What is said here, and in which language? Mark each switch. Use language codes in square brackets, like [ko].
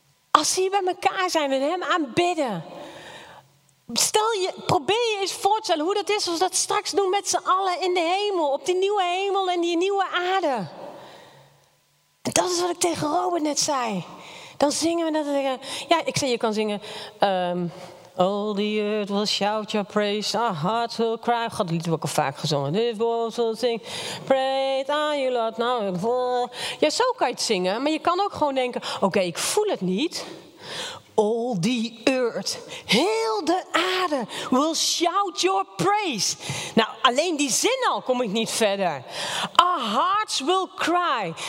[nl] Als hier bij elkaar zijn en hem aanbidden. Probeer je eens voor te stellen hoe dat is als we dat straks doen met z'n allen in de hemel. Op die nieuwe hemel en die nieuwe aarde. En dat is wat ik tegen Robert net zei. Dan zingen we dat. Ja, ik zei, je kan zingen... [en] All the earth will shout your praise, our hearts will cry. [nl] God, die liedje heb ik al vaak gezongen. [en] This world will sing, praise on you, Lord. Now. [nl] Ja, zo kan je het zingen, maar je kan ook gewoon denken, oké, ik voel het niet. [en] All the earth, [nl] heel de aarde, [en] will shout your praise. [nl] Nou, alleen die zin al kom ik niet verder. [en] Our hearts will cry.